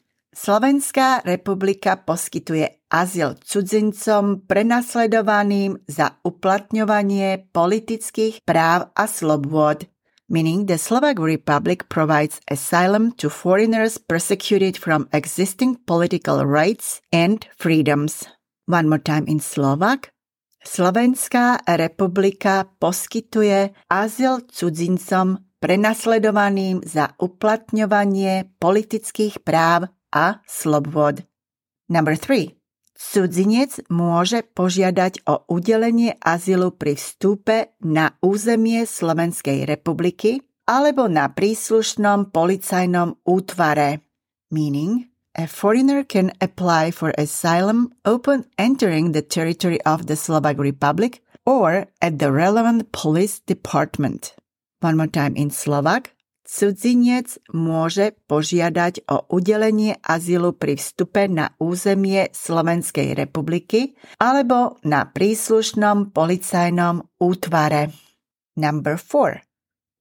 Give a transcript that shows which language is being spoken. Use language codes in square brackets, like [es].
[sk] Slovenská republika poskytuje azyl cudzincom prenasledovaným za uplatňovanie politických práv a slobôd. [en] Meaning the Slovak Republic provides asylum to foreigners persecuted from existing political rights and freedoms. One more time in Slovak. [sk] Slovenská republika poskytuje azyl cudzincom prenasledovaným za uplatňovanie politických práv a slobôd. [en] Number 3. [sk] Cudzinec môže požiadať o udelenie azylu pri vstupe na územie Slovenskej republiky alebo na príslušnom policajnom útvare. [en] Meaning, a foreigner can apply for asylum upon entering the territory of the Slovak Republic or at the relevant police department. One more time in Slovak. [sk] Cudzinec môže požiadať o udelenie azylu pri vstupe na územie Slovenskej republiky alebo na príslušnom policajnom útvare. [en] Number 4.